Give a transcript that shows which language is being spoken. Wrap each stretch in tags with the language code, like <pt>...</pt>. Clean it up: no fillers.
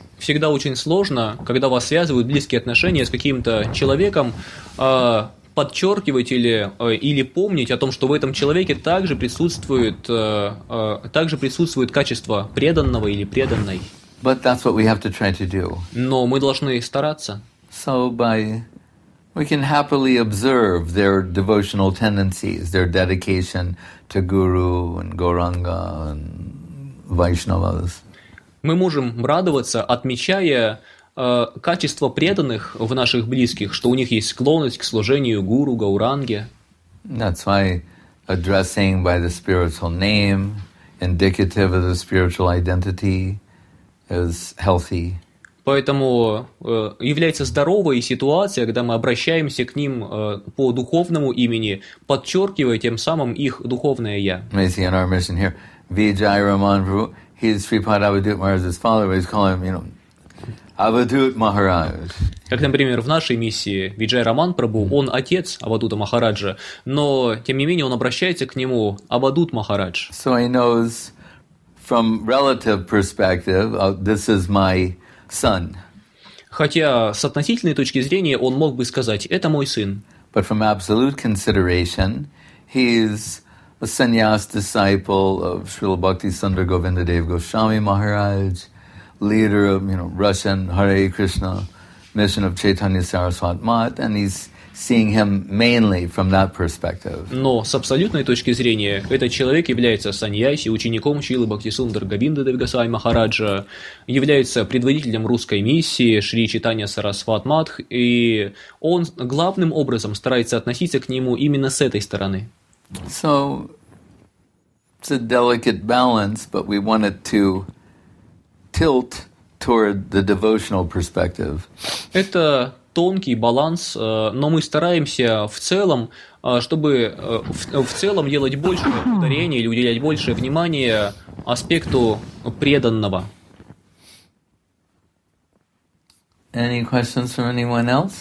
<ru>Всегда очень сложно, когда вас связывают близкие отношения с каким-то человеком, подчеркивать или помнить о том, что в этом человеке также присутствует качество преданного или преданной.</ru> <en>But that's what we have to try to do.</en> <ru>Но мы должны стараться.</ru> <en>So we can happily observe their devotional tendencies, their dedication to guru and Gauranga and Vaishnavas.</en> <ru>Мы можем радоваться, отмечая качество преданных в наших близких, что у них есть склонность к служению гуру, гауранге.</ru> <en>That's why addressing by the spiritual name, indicative of the spiritual identity, is healthy.</en> <ru>Поэтому является здоровой ситуация, когда мы обращаемся к ним по духовному имени, подчеркивая тем самым их духовное «я».</ru> <en>We see in our mission here, Vijay Raman Prabhu, he's Sripada Avadhut Maharaj's father, but he's calling him, you know, Avadhut Maharaj.</en> <ru>Как, например, в нашей миссии Виджай Раман Прабу, он отец Авадута Махараджа, но, тем не менее, он обращается к нему Авадут Махарадж.</ru> <en>So he knows from relative perspective, this is my son.</en> <ru>Хотя с относительной точки зрения он мог бы сказать, это мой сын.</ru> <en>But from absolute consideration, he's a sannyas disciple of Srila Bhakti Sundar Govinda Dev Goswami Maharaj, leader of, you know, Russian Hare Krishna mission of Chaitanya Saraswat Math, and he's seeing him mainly from that perspective.</en> <ru>Но с абсолютной точки зрения этот человек является саньяси, учеником Шрилы Бхактисундар Говинда Дев Госвами Махараджа, является предводителем русской миссии Шри Чайтанья Сарасват Матх, и он главным образом старается относиться к нему именно с этой стороны.</ru> <en>So it's a delicate balance, but we want it to tilt toward the devotional perspective.</en> <ru>Это тонкий баланс, но мы стараемся в целом, чтобы в целом делать больше ударения или уделять больше внимания аспекту преданного.</ru> <en>Any questions from anyone else?</en>